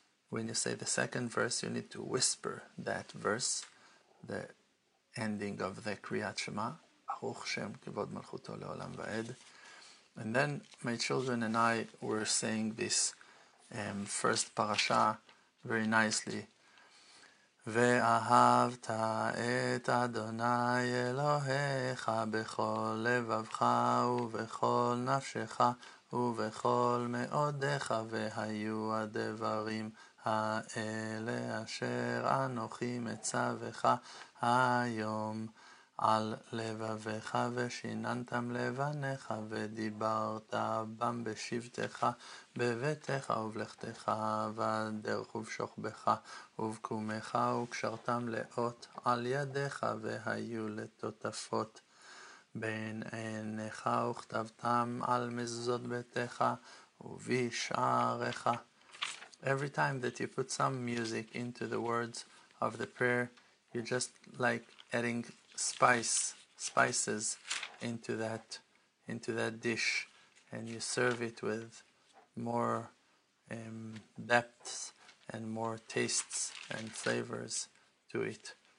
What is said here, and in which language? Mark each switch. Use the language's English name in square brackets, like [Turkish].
[English] When you say the second verse, you need to whisper that verse, the ending of the Kriyat Shema, [Hebrew] Baruch Shem Kivod Malchuto Leolam Vaed. [English] And then my children and I were saying this first parasha very nicely. [Hebrew] ואהבת את אדוני אלוהיך בכל לבבך ובכל נפשך ובכל מאודך, והיו הדברים האלה אשר אנוכי מצווך היום על לבבך, ושיננתם לבניך ודיברת בם בשבתך בביתך ובלכתך ודרך ובשוכבך ובקומך, וקשרתם לאות על ידיך והיו לתוטפות בין עיניך, וכתבתם על מזוזות ביתך ובשעריך. [English] every time that you put some music into the words of the prayer, you're just like adding spices into that dish, and you serve it with more depths and more tastes and flavors to it.